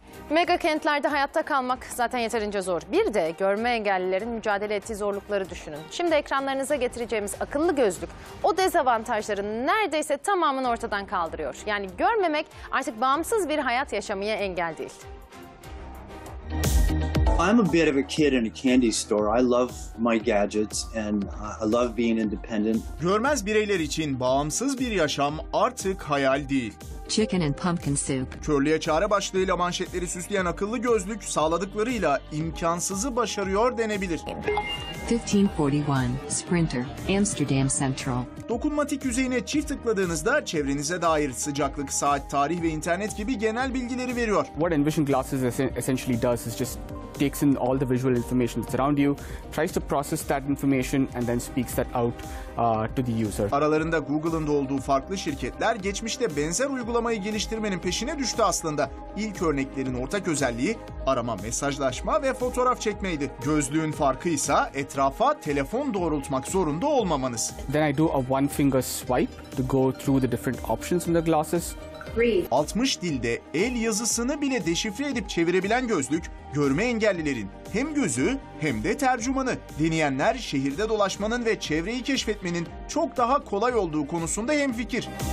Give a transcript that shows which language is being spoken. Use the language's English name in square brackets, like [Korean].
[Turkish] Mega kentlerde hayatta kalmak zaten yeterince zor. Bir de görme engellilerin mücadele ettiği zorlukları düşünün. Şimdi ekranlarınıza getireceğimiz akıllı gözlük o dezavantajların neredeyse tamamını ortadan kaldırıyor. Yani görmemek artık bağımsız bir hayat yaşamaya engel değil. [English] I'm a bit of a kid in a candy store. I love my gadgets and I love being independent. [Turkish] Görmez bireyler için bağımsız bir yaşam artık hayal değil. [English] Chicken and pumpkin soup. [Turkish] Körlüğe çare başlığıyla manşetleri süsleyen akıllı gözlük sağladıklarıyla imkansızı başarıyor denebilir. [English] 1541 Sprinter, Amsterdam Central. [Turkish] Dokunmatik yüzeyine çift tıkladığınızda çevrenize dair sıcaklık, saat, tarih ve internet gibi genel bilgileri veriyor. [English] What Envision Glasses essentially does is just takes in all the visual information that's around you, tries to process that information and then speaks that out to the user. [Turkish] Aralarında Google'ın da olduğu farklı şirketler geçmişte benzer uygulamayı geliştirmenin peşine düştü aslında. İlk örneklerin ortak özelliği arama, mesajlaşma ve fotoğraf çekmeydi. Gözlüğün farkı ise etrafa telefon doğrultmak zorunda olmamanız. [English] Then I do a one finger swipe to go through the different options in the glasses. [Turkish] 60 dilde el yazısını bile deşifre edip çevirebilen gözlük, görme engellilerin hem gözü hem de tercümanı. Deneyenler şehirde dolaşmanın ve çevreyi keşfetmenin çok daha kolay olduğu konusunda hemfikir.